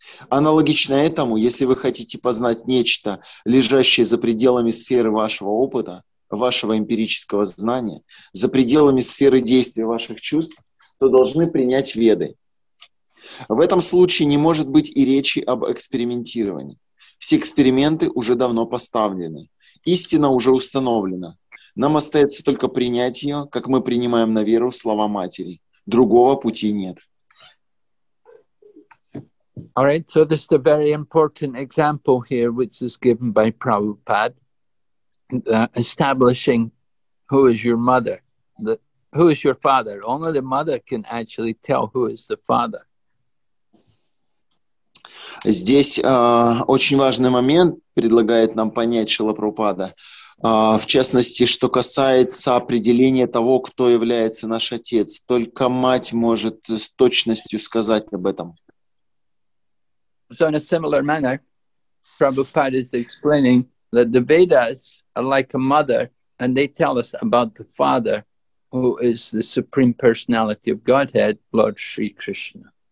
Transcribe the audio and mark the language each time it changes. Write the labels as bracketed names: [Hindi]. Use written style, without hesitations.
[Russian] Аналогично этому, если вы хотите познать нечто, лежащее за пределами сферы вашего опыта, вашего эмпирического знания, за пределами сферы действия ваших чувств, то должны принять веды. В этом случае не может быть и речи об экспериментировании. Все эксперименты уже давно поставлены. Истина уже установлена. Нам остается только принять ее, как мы принимаем на веру слова матери. Другого пути нет. [English] All right, so this is a very important example here, which is given by Prabhupada, establishing who is your mother, who is your father. Only the mother can actually tell who is the father. [Russian] Здесь очень важный момент предлагает нам понять Шрила Прабхупада, в частности, что касается определения того, кто является наш отец. Только мать может с точностью сказать об этом. [English] So in a similar manner, Prabhupada is explaining that the Vedas are like a mother and they tell us about the father who is the Supreme Personality of Godhead, Lord Shri Krishna.